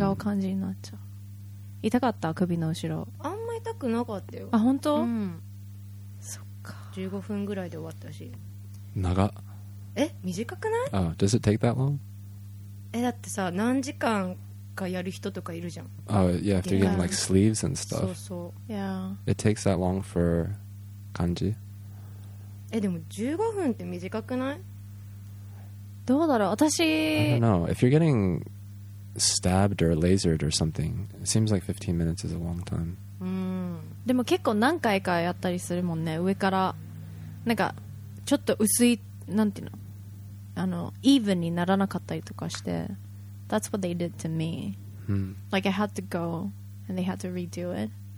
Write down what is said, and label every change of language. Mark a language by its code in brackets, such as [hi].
[ja] なんか違う漢字になっちゃう。痛かった首の後ろ。あんま痛くなかったよ。あ本当？うん。そっか。 15分ぐらいで終わったし。長。え短くない？ [en] あ、does it take that long？ [ja] えだってさ何時間かやる人とかいるじゃん。 [en] あ、yeah, after getting like sleeves and stuff. [ja] そうそう。 [en] Yeah. It takes that long for. 感じ。 [ja] え、でも15分って短くない？どうだろう。私。 [en] I don't know. If you're getting stabbed or lasered or something, it seems like 15 minutes is a long time. [ja] でも結構何回かやったりするもんね。上からなんかちょっと薄いなんていうの、あの even にならなかったりとかして。 [en] That's what they did to me.、Like I had to go and they had to redo it.